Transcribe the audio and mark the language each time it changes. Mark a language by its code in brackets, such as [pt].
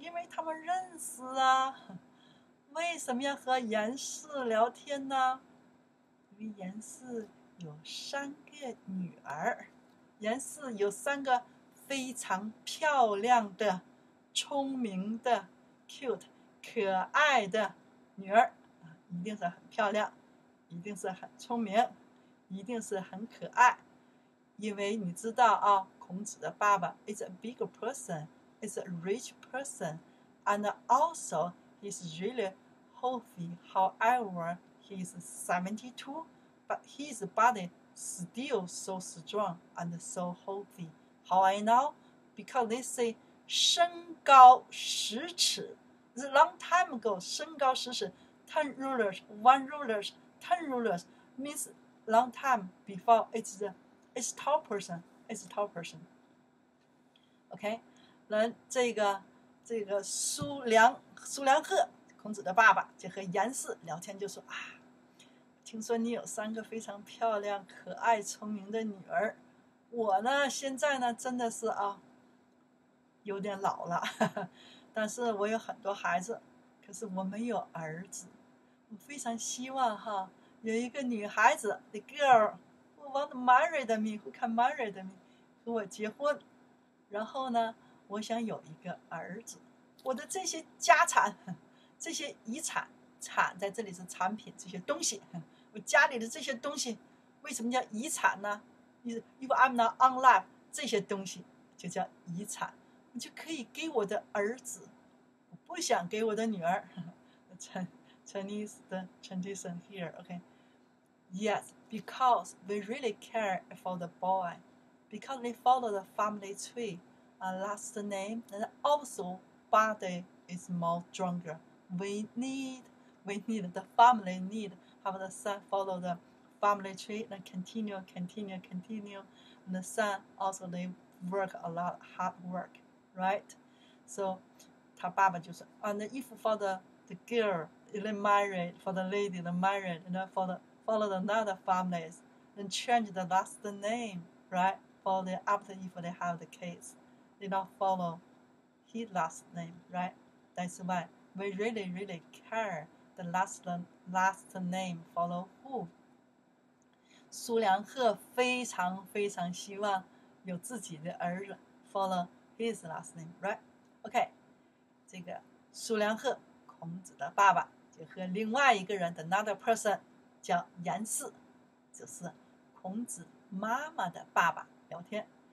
[zh] 因为他们认识啊。为什么要和严嗣聊天呢？因为严嗣有三个女儿，严嗣有三个非常漂亮的、聪明的、 [en] cute [zh] 可爱的女儿，一定是很漂亮。一定是很聪明，一定是很可爱，因为你知道啊， [en] 孔子的爸爸 is a big person, is a rich person, and also he's really healthy. However, he's 72, but his body still so strong and so healthy. How I know? Because they say [zh] 身高十尺 [en] is a long time ago. [zh] 身高十尺 [en] ten rulers, one rulers. Ten rulers means long time before it's tall person. It's tall person. [zh] Okay, 来这个苏良鹤，孔子的爸爸就和严嗣聊天，就说啊，听说你有三个非常漂亮、可爱、聪明的女儿，我呢现在呢真的是啊，有点老了，但是我有很多孩子，可是我没有儿子，我非常希望哈。有一个女孩子 [en] the girl who want to marry me, who can marry me, [zh] 和我结婚。然后呢我想有一个儿子。我的这些家产这些遗产产在这里是产品这些东西。我家里的这些东西为什么叫遗产呢 ? [en] If I'm not on life, [zh] 这些东西就叫遗产，你就可以给我的儿子，我不想给我的女儿。 [en] Chinese, the tradition here, okay? Yes, because we really care for the boy, because they follow the family tree, a last name, and also body is more stronger. We need, the family need, have the son follow the family tree, and continue, and the son also, they work a lot, hard work, right? So, [zh] 他爸爸就说, [en] and if for the girl, they married, for the lady, they married, and then followed another families, and changed the last name, right? For the, after if they have the kids, they don't follow his last name, right? That's why we really, really care the last name follow who. [zh] 苏良赫非常非常希望有自己的儿子 [en] follow his last name, right? [zh] Okay, 这个苏良赫孔子的爸爸就和另外一个人 [en] another person [zh] 叫颜氏，就是孔子妈妈的爸爸聊天。